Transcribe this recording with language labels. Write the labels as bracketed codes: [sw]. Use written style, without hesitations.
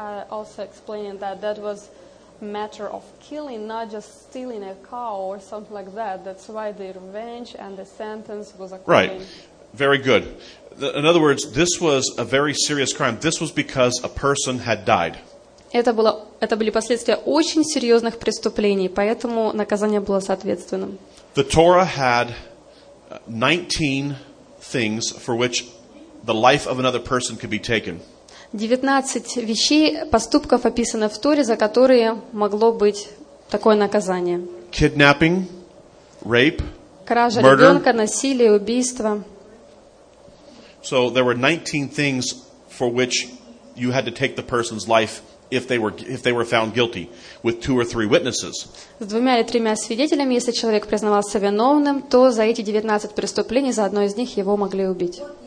[en] Also explaining that was a matter of killing, not just stealing a cow or something like that. That's why the revenge and the sentence was accorded. Right. Very good. In other words, this was a very serious crime. This was because a person had died. [ru] Это были последствия очень серьезных преступлений, поэтому наказание было соответственным. [en] The Torah had 19 things for which the life of another person could be taken. [ru] 19 вещей, поступков описано в Торе, за которые могло быть такое наказание. [en] Kidnapping, rape, [ru] кража [en] murder. [ru] Ребенка, насилие, убийство. [en] So there were 19 things for which you had to take the person's life if they were found guilty with two or three witnesses. [ru] С двумя или тремя свидетелями, если человек признавался виновным, то за эти 19 преступлений за одно из них его могли убить.